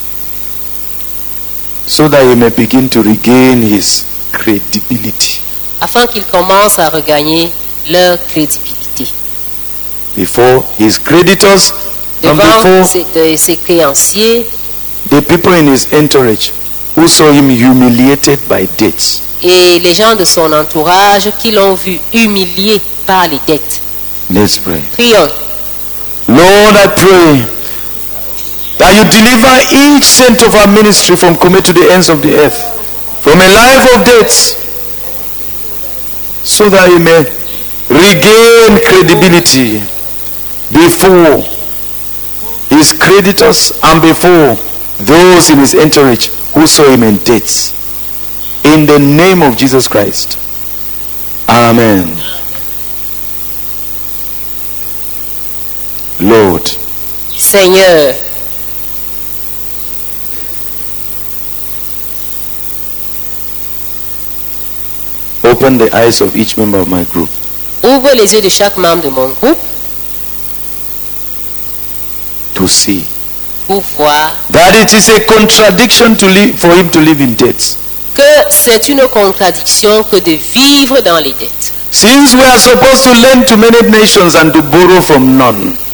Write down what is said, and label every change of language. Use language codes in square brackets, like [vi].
[en] So that he may begin to regain his credibility. [fr] Afin qu'il commence à regagner leur crédibilité. [en] Before his creditors [fr] devant [en] and before [fr] ses créanciers, [en] the people in his entourage who saw him humiliated by debts. [fr] Et les gens de son entourage qui l'ont vu humilié par les dettes. [en] Let's pray. [fr] Prions. [en] Lord, I pray that you deliver each saint of our ministry from Kome to the ends of the earth, from a life of debts, so that he may regain credibility before his creditors and before those in his entourage who saw him in debts. In the name of Jesus Christ. Amen. Lord. [fr] Seigneur. [en] Open the eyes of each member of my group. [fr] Ouvre les yeux de chaque membre de mon groupe. [en] To see. [fr] Pour voir. [en] That it is a contradiction to live, for him to live in debt. [fr] Que c'est une contradiction que de vivre dans les dettes. [en] Since we are supposed to lend to many nations and to borrow from none.